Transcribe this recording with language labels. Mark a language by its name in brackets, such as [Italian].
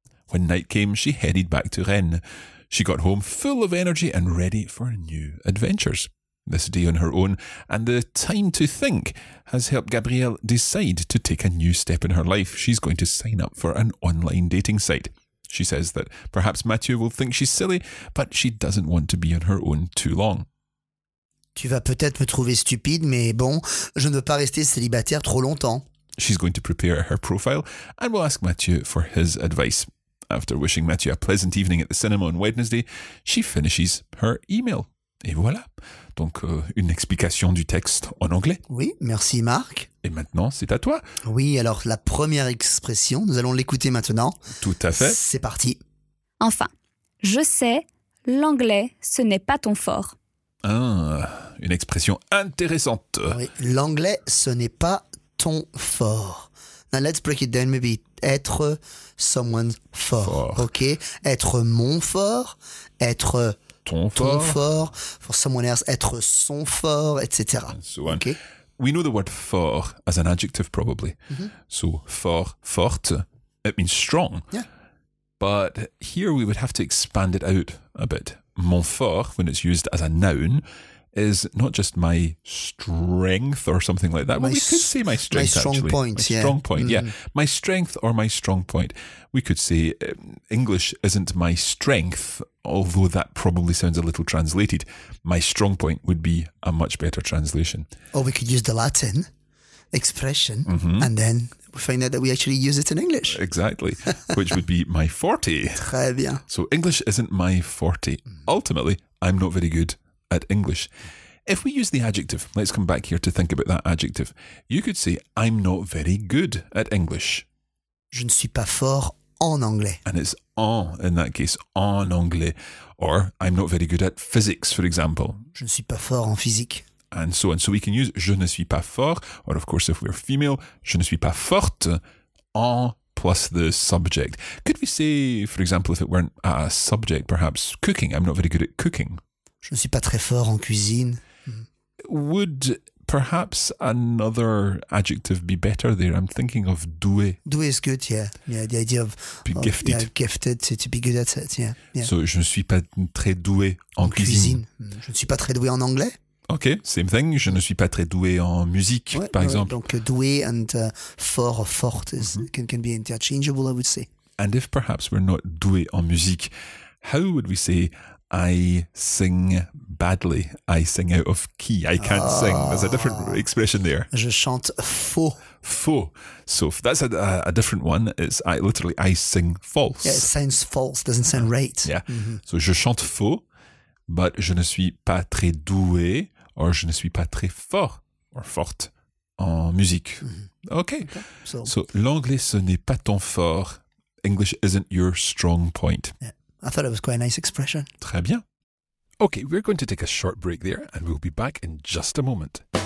[English] When night came, she headed back to Rennes. She got home full of energy and ready for new adventures. This day on her own and the time to think has helped Gabrielle decide to take a new step in her life. She's going to sign up for an online dating site. She says that perhaps Mathieu will think she's silly, but she doesn't want to be on her own too long. [French] Tu vas peut-être me trouver stupide, mais bon, je ne veux pas rester célibataire trop longtemps. [English] She's going to prepare her profile and will ask Mathieu for his advice. After wishing Mathieu a pleasant evening at the cinema on Wednesday, she finishes her email. [French] Et voilà, donc une explication du texte en anglais. Oui, merci Marc. Et maintenant, c'est à toi. Oui, alors la première expression, nous allons l'écouter maintenant. Tout à fait. C'est parti. Enfin, je sais, l'anglais, ce n'est pas ton fort. Une expression intéressante. Oui, l'anglais, ce n'est pas ton fort. [English] Now let's break it down, maybe. [French] Être [English] someone's [French] fort. Ok. Être mon fort. Être ton fort. [English] For someone else, [French] être son fort, [English] etc. So on. Okay. We know the word fort as an adjective, probably. Mm-hmm. So fort, forte, it means strong. Yeah. But here we would have to expand it out a bit. Mon fort, when it's used as a noun, is not just my strength or something like that. We could say my strength, my strong actually. Point, my yeah. strong point, mm-hmm. yeah. My strength or my strong point. We could say English isn't my strength, although that probably sounds a little translated. My strong point would be a much better translation. Or we could use the Latin expression mm-hmm. and then we find out that we actually use it in English. Exactly, which would be my forte. [French] Très bien. [English] So English isn't my forte. Ultimately, I'm not very good at English. If we use the adjective, let's come back here to think about that adjective. You could say, I'm not very good at English. [French] Je ne suis pas fort en anglais. [English] And it's en, in that case, [French] en anglais. [English] Or, I'm not very good at physics, for example. [French] Je ne suis pas fort en physique. [English] And so on. So we can use [French] je ne suis pas fort, [English] or of course if we're female, [French] je ne suis pas forte, [English] en plus the subject. Could we say, for example, if it weren't a subject, perhaps cooking, I'm not very good at cooking. [French] Je ne suis pas très fort en cuisine. [English] Would perhaps another adjective be better there? I'm thinking of doué. Doué is good, yeah. Yeah, the idea of being gifted. Yeah, gifted to be good at it, yeah. Yeah. [French] So je ne suis pas très doué en cuisine. Je ne suis pas très doué en anglais. [English] Ok, same thing. [French] Je ne suis pas très doué en musique, ouais, par ouais, exemple. Donc [English] doué and fort or fort is, mm-hmm. can be interchangeable, I would say. And if perhaps we're not [French] doué en musique, [English] how would we say I sing badly? I sing out of key. I can't sing. There's a different expression there. [French] Je chante faux. Faux. [English] So that's a different one. It's literally I sing false. Yeah, it sounds false. Doesn't sound right. Yeah. Mm-hmm. So [French] je chante faux. [English] But [French] je ne suis pas très doué, or je ne suis pas très fort, or forte, en musique. [English] Mm-hmm. Okay. So, [French] l'anglais, ce n'est pas ton fort. [English] English isn't your strong point. Yeah. I thought it was quite a nice expression. [French] Très bien. [English] Okay, we're going to take a short break there, and we'll be back in just a moment.